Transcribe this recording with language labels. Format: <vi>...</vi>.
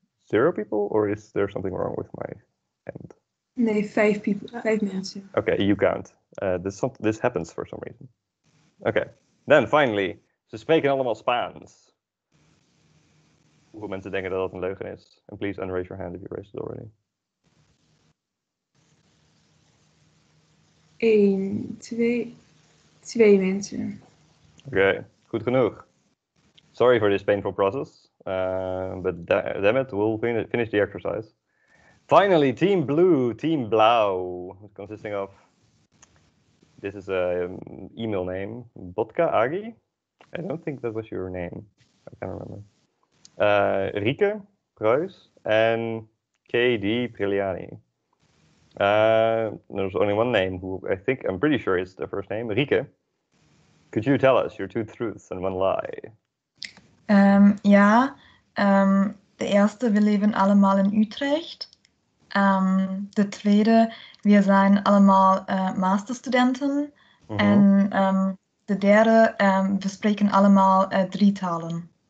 <en>Zero people, or is there something wrong with my end?</en> <nl>Nee, vijf people, vijf mensen.</nl> <en>Okay, you count. This happens for some reason. Okay, then finally,</en> <nl>ze spreken allemaal Spaans. Hoeveel mensen denken dat dat een leugen is?</nl> <en>And please unraise your hand if you raised it already.</en> <nl>1, 2 mensen.</nl> <en>Okay,</en> <nl>goed genoeg.</nl> <en>Sorry for this painful process. But damn it, we'll finish the exercise. Finally, Team Blue, Team Blau, consisting of, this is a email name, Botka Agi. I don't think that was your name. I can't remember. Rieke Kruis and K.D. Priliani. There's only one name who I think, I'm pretty sure is the first name, Rieke. Could you tell us your two truths and one lie?</en> <nl>De eerste, we leven allemaal in Utrecht. De tweede, we zijn allemaal masterstudenten. Mm-hmm. En de derde, we spreken allemaal drie talen.</nl>